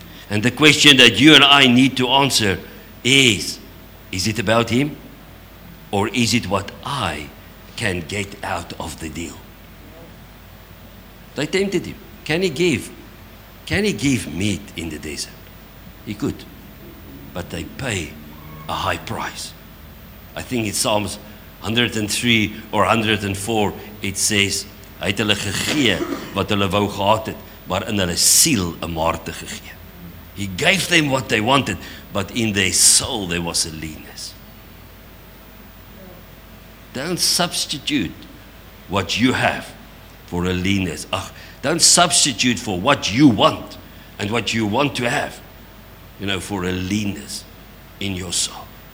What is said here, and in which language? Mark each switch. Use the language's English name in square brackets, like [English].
[English] And the question that you and I need to answer is it about him? Or is it what I can get out of the deal? They tempted him. Can he give? Can he give meat in the desert? He could. But they pay a high price. I think in Psalms 103 or 104 it says, [Afrikaans] hy het hulle gegee wat hulle wou gehad het, maar in hulle siel 'n maarte gegee. [English] He gave them what they wanted, but in their soul there was a leanness. Don't substitute what you have for a leanness. Ach, don't substitute for what you want and what you want to have, you know, for a leanness in your soul.